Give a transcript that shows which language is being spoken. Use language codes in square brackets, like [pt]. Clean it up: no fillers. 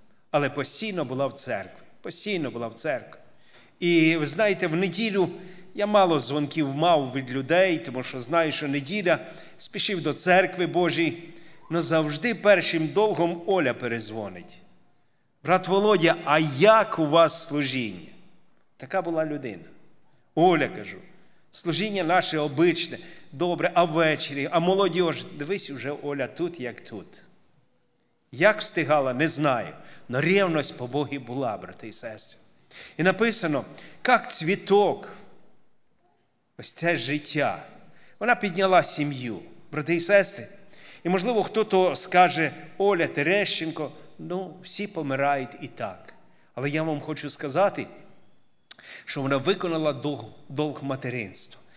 [uk] Але постійно була в церкві. Постійно була в церкві. І ви знаєте, в неділю я мало дзвонків мав від людей, тому що знаю, що неділя, спішив до церкви Божій, але завжди першим довгом Оля перезвонить: «Брат Володя, а як у вас служіння?» Така була людина. Оля, кажу, служіння наше обичне, добре, а ввечері, а молодіж? Дивись, уже Оля тут, як тут. Як встигала, не знаю. [ru] Но ревность по Богу была, брати и сестри. И написано, как цветок, [uk] ось це життя, вона підняла сім'ю, брати і сестри. І, можливо, хто-то скаже, Оля Терещенко, ну, всі помирають і так. Але я вам хочу сказати, що вона виконала долг материнства.